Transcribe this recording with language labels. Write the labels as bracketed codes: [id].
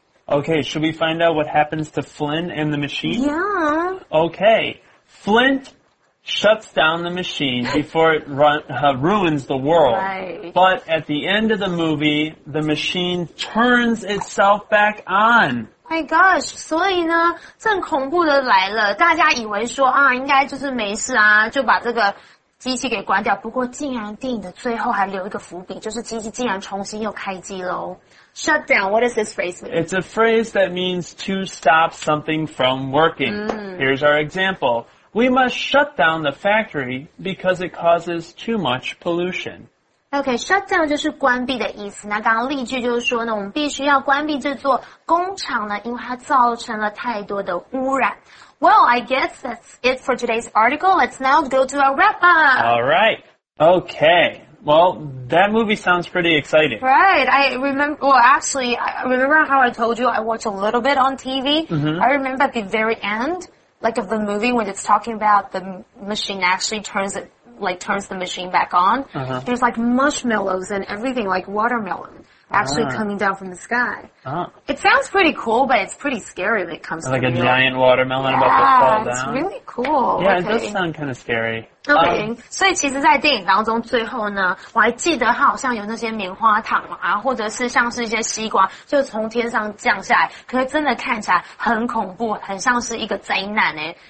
[en] Okay, should we find out what happens to Flint and the machine? Yeah. Okay, Flint shuts down the machine before it ruins the world. Right. But at the end of the movie, the machine turns itself back on. My gosh, [zh] 所以呢正恐怖的来了，大家以为说啊应该就是没事啊就把这个机器给关掉，不过竟然电影的最后还留一个伏笔，就是机器竟然重新又开机了。 [en] Shut down, what does this phrase mean? It's a phrase that means to stop something from working、 mm. Here's our example. We must shut down the factory because it causes too much pollution. [zh] OK, shut down 就是关闭的意思。那刚刚例句就是说呢，我们必须要关闭这座工厂呢，因为它造成了太多的污染。 [en] Well, I guess that's it for today's article. Let's now go to our wrap-up. All right. Okay. Well, that movie sounds pretty exciting. Right. I remember how I told you I watched a little bit on TV?、 Mm-hmm. I remember at the very end, like of the movie when it's talking about the machine actually turns the machine back on.、 Uh-huh. There's like marshmallows and everything, like watermelon, actually、uh-huh. coming down from the sky.、 Uh-huh. It sounds pretty cool, but it's pretty scary when it comes、 like、 to the Like a、 me. Giant watermelon、 yeah, about to fall down. Yeah, it's really cool. Yeah,、okay. it does sound kind of scary. [zh] Okay, 所以其实在电影当中最后呢，我还记得好像有那些棉花糖啊，或者是像是一些西瓜，就从天上降下来，可是真的看起来很恐怖，很像是一个灾难诶。